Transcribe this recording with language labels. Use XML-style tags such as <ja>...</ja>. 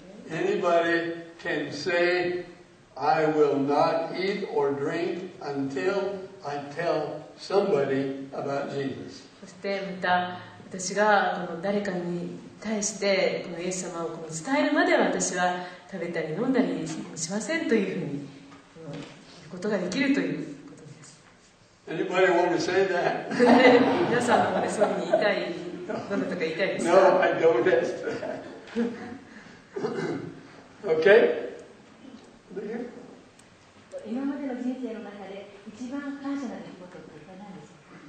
<en>Anybody can say, I will not eat or drink until I tell somebody about Jesus.</en> <ja>そしてまた私がこの誰かに対してこのイエス様をこの伝えるまでは私は食べたり飲んだりしませんというふうに言うことができるという。</ja> <en>Anybody want to say that?</en> <ja>皆さんはそれに言いたい、どなたか言いたいですか?</ja> <en>No, I don't ask that. Okay?</en> <ja>今までの人生の中で一番感謝な出来事って何ですか?</ja>